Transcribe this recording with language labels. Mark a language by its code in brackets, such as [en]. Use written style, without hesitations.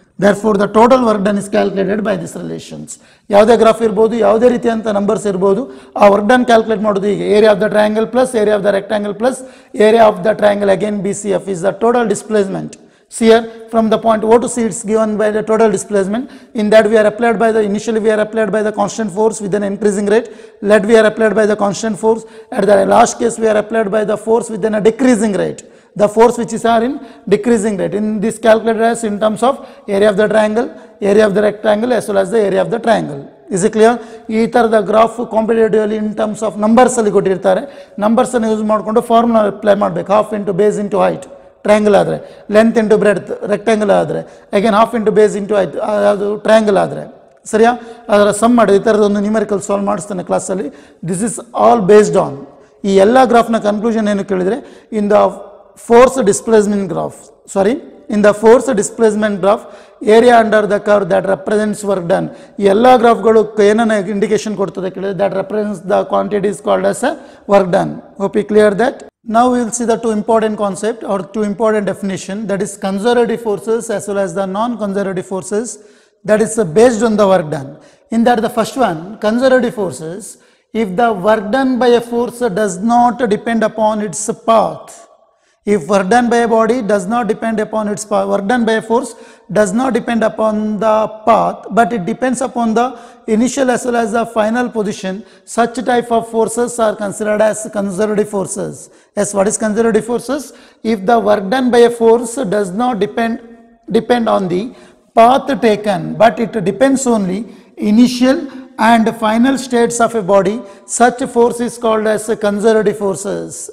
[en] Therefore the total work done is calculated by this relations. [kn] ಯಾವುದೇ graph ಇರ್ಬೋದು, ಯಾವುದೇ ರೀತಿಯಂಥ numbers ಇರ್ಬೋದು, ಆ ವರ್ಕ್ ಡನ್ ಕ್ಯಾಲ್ಕುಲೇಟ್ ಮಾಡೋದು ಹೀಗೆ: [en] Area of the triangle plus area of the rectangle plus area of the triangle again B C F is the total displacement. Sear from the point O to C it's given by the total displacement. In that we are applied by the initially we are applied by the constant force with an increasing rate. Let we are applied by the constant force at the last case we are applied by the force with an a decreasing rate. the force which is are in decreasing rate. In this calculated as in terms of area of the triangle, area of the rectangle as well as the area of the triangle. Is it clear? [kn] ಈ ತರದ graph competitively [en] in terms of numbers [kn] ಅಲ್ಲಿ ಕೊಟ್ಟಿರ್ತಾರೆ. Numbers ಅನ್ನು use ಮಾಡಿಕೊಂಡು formula apply ಮಾಡ್ಬೇಕು. Half into base into height triangle ಆದರೆ, length into breadth rectangle ಆದರೆ, again half into base into height ಅದು ಟ್ರಯಾಂಗಲ್ ಆದರೆ, ಸರಿಯಾ? ಅದರ ಸಮ್ ಮಾಡಿ ಈ ಥರದ ಒಂದು ನ್ಯೂಮರಿಕಲ್ ಸಾಲ್ವ್ ಮಾಡಿಸ್ತಾನೆ ಕ್ಲಾಸಲ್ಲಿ. [en] This is all based on. [kn] ಈ ಎಲ್ಲ ಗ್ರಾಫ್ನ ಕನ್ಕ್ಲೂಷನ್ ಏನು ಕೇಳಿದರೆ, [en] In the force displacement graph, sorry, in the force displacement graph area under the curve that represents work done. [kn] ಈ ಎಲ್ಲ ಗ್ರಾಫ್ಗಳು ಏನನ್ನು ಇಂಡಿಕೇಶನ್ ಕೊಡ್ತದೆ ಕೇಳಿದ್ರೆ, [en] That represents the quantity is called as a work done. Hope you clear that. Now will see the two important concept are two important definition, that is conservative forces as well as the non conservative forces that is based on the work done. In that the first one conservative forces, if the work done by a force does not depend upon its path. If work done by a body does not depend upon its path, work done by a force does not depend upon the path, but it depends upon the initial as well as the final position, such type of forces are considered as conservative forces. Yes, what is conservative forces? If the work done by a force does not depend on the path taken, but it depends only initial and final states of a body, such a force is called as a conservative forces.